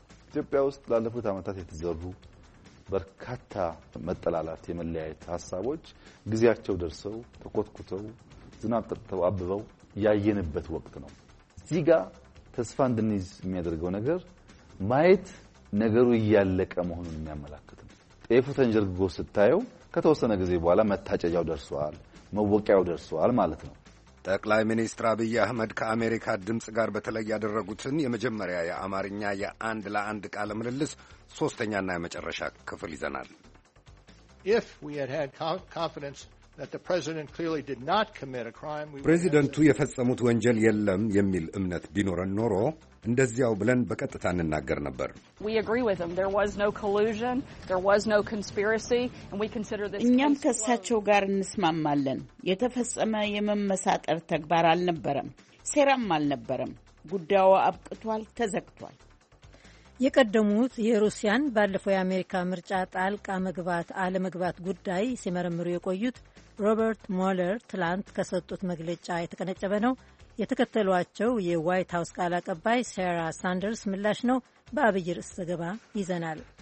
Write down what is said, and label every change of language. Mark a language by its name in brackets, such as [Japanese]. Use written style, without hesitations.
[Amharic] ኢትዮጵያ ውስጥ ላለፉት ዓመታት የተዘሩ በርካታ መጠላላት፣ የመለያየት ሀሳቦች ጊዜያቸው ደርሰው ተኮትኩተው ዝናብ ጠጥተው አብበው ያየንበት ወቅት ነው። እዚህ ጋር ተስፋ እንድንይዝ የሚያደርገው ነገር ማየት ነገሩ እያለቀ መሆኑን የሚያመላክት ነው። ጤፉ ተንጀርግጎ ስታየው ከተወሰነ ጊዜ በኋላ መታጨጃው ደርሷል፣ መወቂያው ደርሷል ማለት ነው። ጠቅላይ ሚኒስትር አብይ አህመድ ከአሜሪካ ድምፅ ጋር በተለይ ያደረጉትን የመጀመሪያ የአማርኛ የአንድ ለአንድ ቃለ ምልልስ ሶስተኛና የመጨረሻ ክፍል ይዘናል። [English] If we had had confidence that the president clearly did not commit a crime, [Amharic] ፕሬዚደንቱ የፈጸሙት ወንጀል የለም የሚል እምነት ቢኖረን ኖሮ እንደዚያው ብለን በቀጥታ እንናገር ነበር። [English] We agree with him. There was no collusion, there was no conspiracy, and we consider this [Amharic] እኛም ከሳቸው ጋር እንስማማለን። የተፈጸመ የመመሳጠር ተግባር አልነበረም፣ ሴራም አልነበረም። ጉዳዩ አብቅቷል፣ ተዘግቷል። የቀደሙት የሩሲያን ባለፈው የአሜሪካ ምርጫ ጣልቃ መግባት አለመግባት ጉዳይ ሲመረምሩ የቆዩት ሮበርት ሞለር ትላንት ከሰጡት መግለጫ የተቀነጨበ ነው። የተከተሏቸው የዋይት ሀውስ ቃል አቀባይ ሳራ ሳንደርስ ምላሽ ነው። በአብይ ርዕስ ዘገባ ይዘናል።